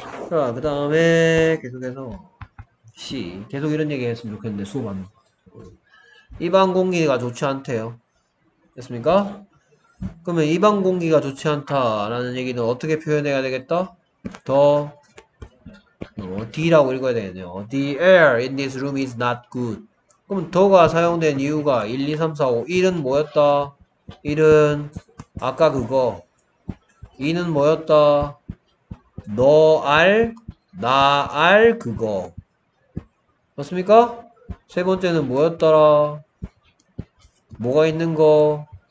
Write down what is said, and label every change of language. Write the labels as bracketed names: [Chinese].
[Korean] 자, 그 다음에 계속해서 C. 계속 이런 얘기 했으면 좋겠는데 수업 안. 입안 공기가 좋지 않대요. 됐습니까? 그러면 입안 공기가 좋지 않다라는 얘기는 어떻게 표현해야 되겠다? 더 D라고 읽어야 되겠네요. [English] The air in this room is not good. [Korean] 그럼 더가 사용된 이유가 1, 2, 3, 4, 5. 1은 뭐였다? 1은 아까 그거. 2는 뭐였다? 너 알? 나 알? 그거. 맞습니까? 세 번째는 뭐였더라? 뭐가 있는 거?